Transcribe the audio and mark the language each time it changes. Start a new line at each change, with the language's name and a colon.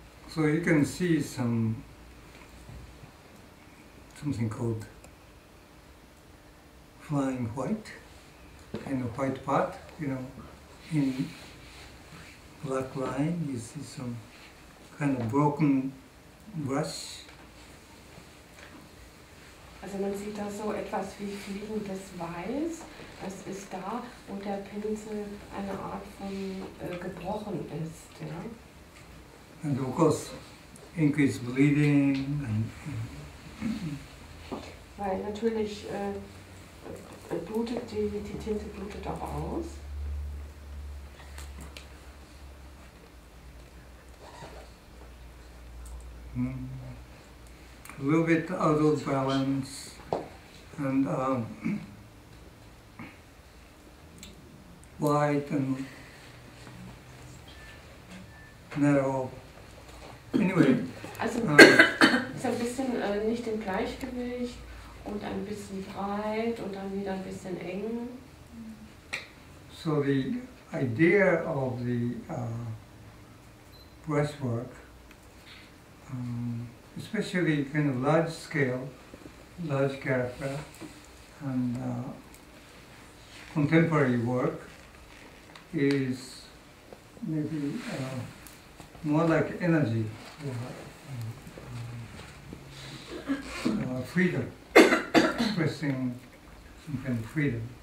English: So you can see something called flying white, kind of white part, you know, in black line you see some kind of broken brush.
German: Also man sieht da so etwas wie fliegendes Weiß. Das ist da, wo der Pinsel eine Art von gebrochen ist. Ja?
English: And of course, ink is bleeding.
German: Weil natürlich blutet die Tinte blutet auch aus.
English: A little bit out of balance, and wide and narrow. Anyway,
German: also ist ein bisschen nicht im Gleichgewicht und ein bisschen breit und dann wieder ein bisschen eng.
English: So the idea of the brushwork, especially kind of large scale, large character, and contemporary work is maybe more like energy, freedom, expressing some kind of freedom.